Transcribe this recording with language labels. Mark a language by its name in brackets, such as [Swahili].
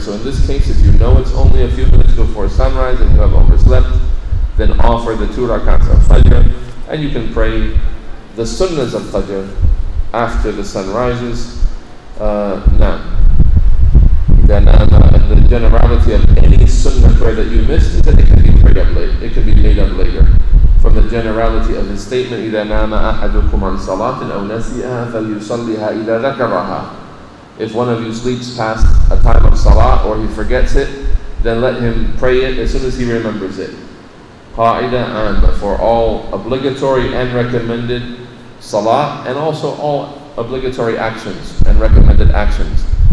[English] So in this case, if you know it's only a few minutes before sunrise and you have overslept, then offer the two rakats of Fajr, and you can pray the sunnahs of Fajr after the sun rises. Now, the generality of any sunnah prayer that you missed is that it can be prayed up late. It can be made up later. From the generality of his statement, [Arabic] إِذَا نَامَ أَحَدُكُمْ عَنْ صَلَاتٍ أَوْ نَسِيَهَا فَلْيُصَلِّهَا إِذَا ذَكَرَهَا. [English] If one of you sleeps past a time of salah or he forgets it, then let him pray it as soon as he remembers it. [Arabic] قَاعِدَ عَامَ. [English] For all obligatory and recommended salah, and also all obligatory actions and recommended actions.